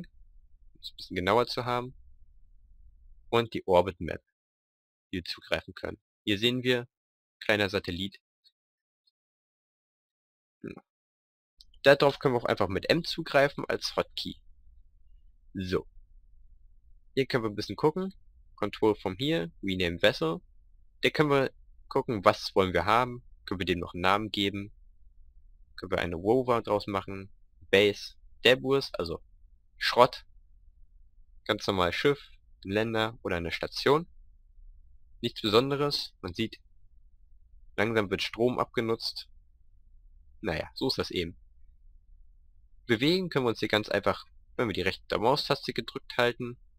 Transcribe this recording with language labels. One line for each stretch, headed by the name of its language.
German: Um es ein bisschen genauer zu haben. Und die Orbit Map, die wir zugreifen können. Hier sehen wir, kleiner Satellit. Darauf können wir auch einfach mit M zugreifen als Hotkey. So. Hier können wir ein bisschen gucken.
English: Control from here, rename vessel.
German: Da können wir gucken, was wollen wir haben. Können wir dem noch einen Namen geben? Können wir eine Rover draus machen? Base, Debris, also Schrott. Ganz normal Schiff. Ein Länder oder eine Station. Nichts Besonderes. Man sieht, langsam wird Strom abgenutzt. Naja, so ist das eben. Bewegen können wir uns hier ganz einfach, wenn wir die rechte Maustaste gedrückt halten.